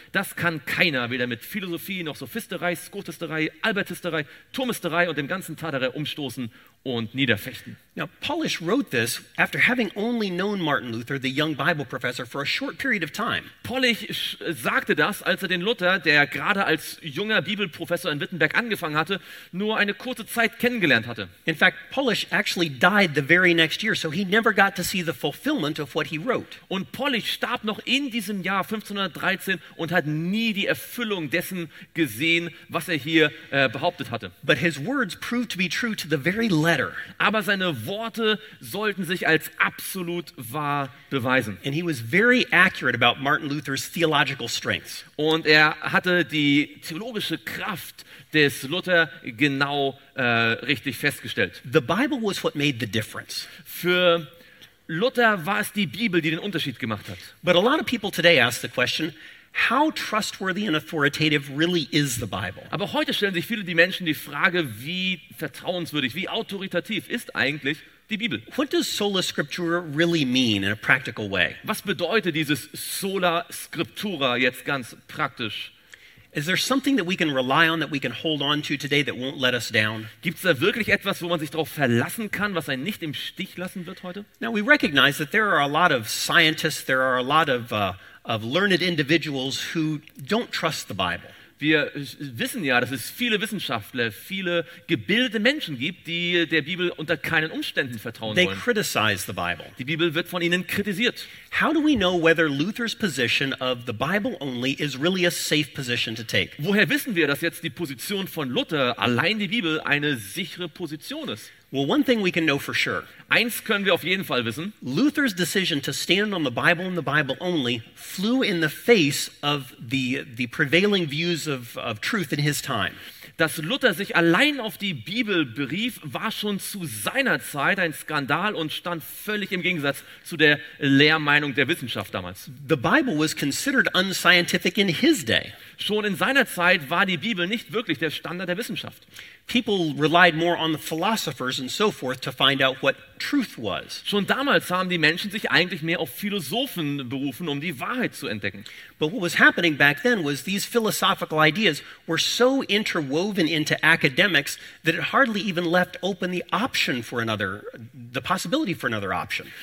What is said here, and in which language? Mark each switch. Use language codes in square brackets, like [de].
[de] Das kann keiner, weder mit Philosophie noch Sophisterei, Skotisterei, Albertisterei, Thomisterei und dem ganzen Tatarei umstoßen und niederfechten. [en] Now, Paulus wrote this after having only known Martin Luther, the young Bible professor, for a short period of time. [de] Paulus sagte das, als er den Luther, der gerade als junger Bibelprofessor in Wittenberg angefangen hatte, nur eine kurze Zeit kennengelernt hatte. [en] In fact, Paulus actually died the very next year, so he never got to see the fulfillment of what he wrote. [de] Und Paulus starb noch in diesem Jahr 1513 und hat nie die Erfüllung dessen gesehen, was er hier behauptet hatte. [en] But his words proved to be true to the very letter. [de] Aber seine Worte sollten sich als absolut wahr beweisen. [en] And he was very accurate about Martin Luther's theological strengths. [de] Und er hatte die theologische Kraft des Luther genau richtig festgestellt. [en] The Bible was what made the difference. [de] Für Luther war es die Bibel, die den Unterschied gemacht hat. [en] But a lot of people today ask the question, how trustworthy and authoritative really is the Bible? [de] Aber heute stellen sich viele die Menschen die Frage, wie vertrauenswürdig, wie autoritativ ist eigentlich die Bibel? [en] What does sola scriptura really mean in a practical way? [de] Was bedeutet dieses sola scriptura jetzt ganz praktisch? [en] Is there something that we can rely on, that we can hold on to today, that won't let us down? [de] Gibt's da wirklich etwas, wo man sich drauf verlassen kann, was einen nicht im Stich lassen wird heute? [en] Now we recognize that there are a lot of scientists, there are a lot of learned individuals who don't trust the Bible. [de] Wir wissen ja, dass es viele Wissenschaftler, viele gebildete Menschen gibt, die der Bibel unter keinen Umständen vertrauen [en] They [de] wollen. [en] Criticize the Bible. [de] Die Bibel wird von ihnen kritisiert. [en] How do we know whether Luther's position of the Bible only is really a safe position to take? [de] Woher wissen wir, dass jetzt die Position von Luther, allein die Bibel, eine sichere Position ist? [en] Well, one thing we can know for sure. [de] Eins können wir auf jeden Fall wissen. [en] Luther's decision to stand on the Bible and the Bible only flew in the face of the prevailing views of truth in his time. [de] Dass Luther sich allein auf die Bibel berief, war schon zu seiner Zeit ein Skandal und stand völlig im Gegensatz zu der Lehrmeinung der Wissenschaft damals. [en] The Bible was considered unscientific in his day. [de] Schon in seiner Zeit war die Bibel nicht wirklich der Standard der Wissenschaft. [en] People relied more on the philosophers and so forth to find out what truth was. [de] Schon damals haben die Menschen sich eigentlich mehr auf Philosophen berufen, um die Wahrheit zu entdecken. [en] But what was happening back then was these philosophical ideas were so interwoven into academics that it hardly even left open the option for another, the possibility for another option.